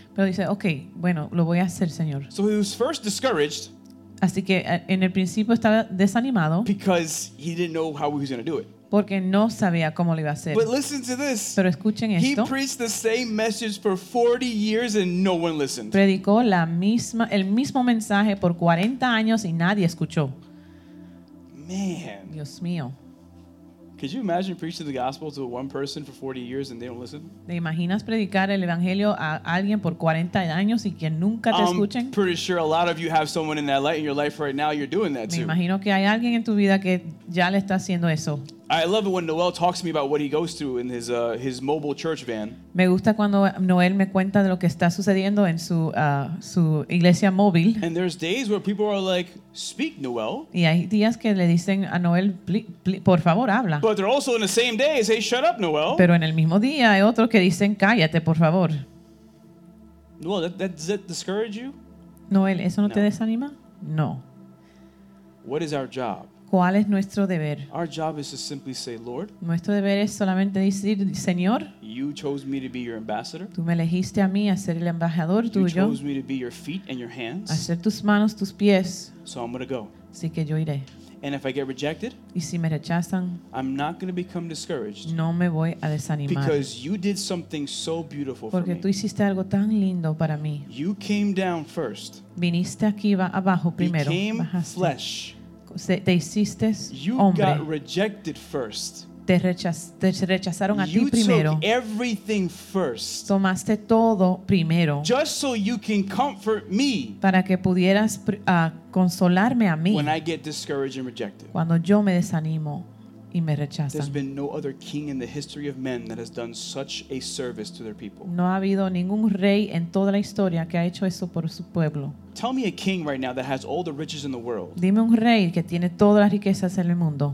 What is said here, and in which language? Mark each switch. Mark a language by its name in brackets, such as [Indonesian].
[Spanish] Pero dice, okay, bueno, lo voy a hacer, Señor. [English] So he was first discouraged. [Spanish] Así que en el principio estaba desanimado. [English] Because he didn't know how he was going to do it. [Spanish] Porque no sabía cómo lo iba a hacer. [English] But listen to this. [Spanish] Pero escuchen esto. [English] He preached the same message for 40 years and no one listened. [Spanish] Predicó el mismo mensaje por 40 años y nadie escuchó. [English] Man. [Spanish] Dios mío. [English] Could you imagine preaching the gospel to one person for 40 years and they don't listen? [Spanish] ¿Te imaginas predicar el evangelio a alguien por 40 años y que nunca te escuchen? [English] I'm pretty sure a lot of you have someone in that light in your life right now. You're doing that too. [Spanish] Me imagino que hay alguien en tu vida que ya le está haciendo eso. [English] I love it when Noel talks to me about what he goes through in his mobile church van. [Spanish] Me gusta cuando Noel me cuenta de lo que está sucediendo en su iglesia móvil. [English] And there's days where people are like, "Speak, Noel." [Spanish] Y hay días que le dicen a Noel, por favor, habla. [English] But they're also in the same day say, "Shut up, Noel." [Spanish] Pero en el mismo día hay otros que dicen, "Cállate, por favor." [English] Noel, does that discourage you? [Spanish] Noel, ¿eso no te desanima? No. [English] What is our job? [Spanish] ¿Cuál es nuestro deber? [English] Our job is to simply say, Lord, [Spanish] nuestro deber es solamente decir, Señor, [English] you chose me to be your ambassador. [Spanish] Tú me elegiste a mí a ser el embajador [English] you [Spanish] tuyo. [English] Chose me to be your feet and your hands. [Spanish] A ser tus manos, tus pies. [English] So I'm going to go. [Spanish] Así que yo iré. [English] And if I get rejected, [Spanish] y si me rechazan, [English] I'm not going to become discouraged. [Spanish] No me voy a desanimar. [English] Because you did something so beautiful for me. [Spanish] Porque tú hiciste algo tan lindo para mí. [English] You came down first. [Spanish] Viniste aquí abajo primero. [English] Became [Spanish] bajaste. [English] Flesh. [Spanish] Te hiciste [English] you [Spanish] hombre. [English] Got rejected first. [Spanish] Te rechazaron a [English] you [Spanish] ti primero. [English] Took everything first. [Spanish] Tomaste todo primero. [English] Just so you can comfort me. [Spanish] Para que pudieras consolarme a mí. [English] When I get discouraged and rejected. [Spanish] Cuando yo me desanimo y me rechazan. [English] There's been no other king in the history of men that has done such a service to their people. [Spanish] No ha habido ningún rey en toda la historia que ha hecho eso por su pueblo. [English] Tell me a king right now that has all the riches in the world. [Spanish] Dime un rey que tiene todas las riquezas en el mundo.